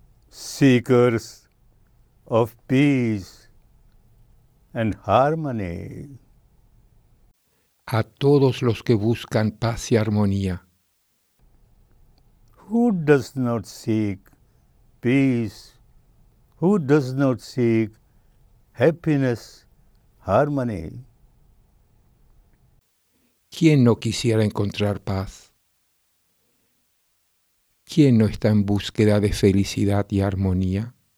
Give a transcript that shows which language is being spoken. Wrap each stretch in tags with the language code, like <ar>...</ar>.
<en>seekers of peace and harmony.</en> <es>A todos los que buscan paz y armonía.</es> <en>Who does not seek peace? Who does not seek happiness, harmony?</en> <es>¿Quién no quisiera encontrar paz? ¿Quién no está en búsqueda de felicidad y armonía?</es>